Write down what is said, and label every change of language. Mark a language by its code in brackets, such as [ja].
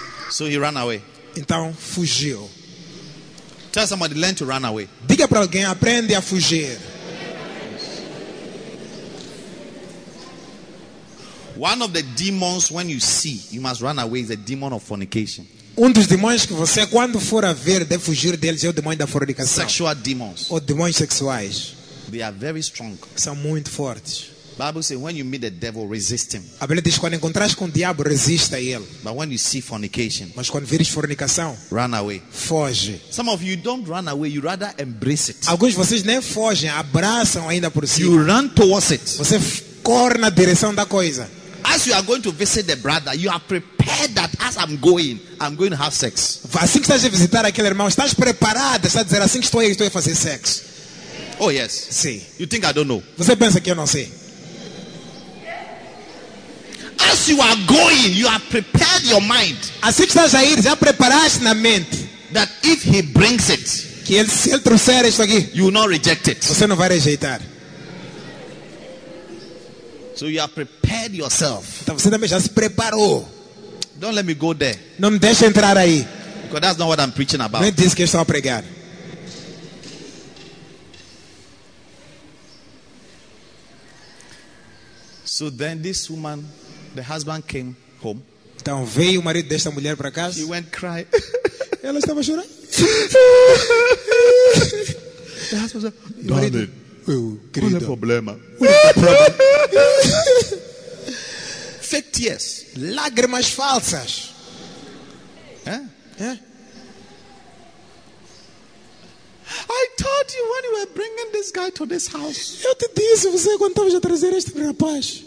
[en] So he ran away. [pt] Então fugiu. [en] Tell somebody, learn to run away. [pt] Diga para alguém, aprende a fugir. [en] One of the demons when you see, you must run away, is a demon of fornication. [pt] Um dos demônios que você quando for a ver, deve fugir deles, é o demônio da fornicação. [en] Sexual demons. [pt] Ou demônios sexuais. [en] They are very strong. [pt] São muito fortes. [en] Bible says when you meet the devil, resist him. [pt] A Bíblia diz quando encontrares com o diabo, resista a ele. [en] But when you see fornication, [pt] mas quando vires fornicação, [en] run away. [pt] Foge. [en] Some of you don't run away, you rather embrace it. [pt] Alguns de vocês nem fogem, abraçam ainda por cima. [en] You run towards it. [pt] Você corre na direção da coisa. [en] As you are going to visit the brother, you are prepared that as I'm going to have sex. [pt] Assim que estás a visitar aquele irmão, estás preparado, estás a dizer assim que estou aí, estou a fazer sexo. [en] Oh yes. [pt] Sim. [en] You think I don't know? [pt] Você pensa que eu não sei? [en] As you are going, you have prepared your mind. [pt] Assim que estás a ir, já preparaste na mente. [en] That if he brings it, [pt] que ele, se ele trouxer isso aqui, [en] you will not reject it. [pt] Você não vai rejeitar. [en] So you have prepared yourself. [pt] Então você também já se preparou. [en] Don't let me go there. [pt] Não me deixe entrar aí. [en] Because that's not what I'm preaching about. [pt] Não é disso que eu estou a pregar. [en] So then this woman, the husband came home. [pt] Então veio o marido desta mulher para casa. [en] She went cry. [pt] Ela estava chorando. [en] The husband said, darling, [pt] marido, qual é o problema? [en] What is the problem? Fake tears. [pt] Lágrimas falsas. [en] I told you when you were bringing this guy to this house. [pt] Eu te disse você quando estava a trazer este rapaz.